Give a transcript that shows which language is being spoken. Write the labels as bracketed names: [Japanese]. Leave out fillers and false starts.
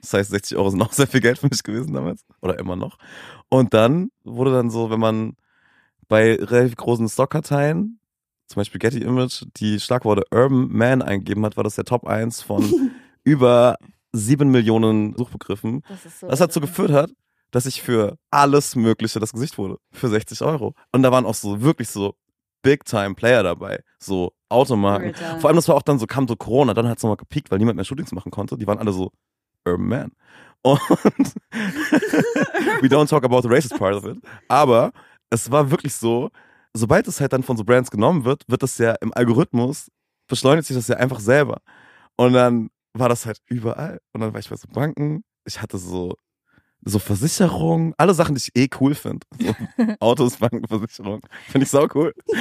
[German] Das heißt, 60 Euro sind auch sehr viel Geld für mich gewesen damals. Oder immer noch. Und dann wurde dann so, wenn man bei relativ großen Stockkarteien, zum Beispiel Getty Image, die Schlagworte Urban Man eingegeben hat, war das der Top 1 von über 7 Millionen Suchbegriffen. Das dazu geführt hat, dass ich für alles Mögliche das Gesicht wurde. Für 60 Euro. Und da waren auch so wirklich so Big-Time-Player dabei, so Automarken. Vor allem, das war auch dann so, kam so Corona, dann hat es nochmal gepiekt, weil niemand mehr Shootings machen konnte. Die waren alle so, Urban Man. [English] Und we don't talk about the racist part of it. [German] Aber es war wirklich so, sobald es halt dann von so Brands genommen wird, wird das ja im Algorithmus, beschleunigt sich das ja einfach selber. Und dann war das halt überall. Und dann war ich bei so Banken, ich hatte so Versicherung, alle Sachen, die ich eh cool finde. So Autos, Banken, Versicherung. Finde ich saucool.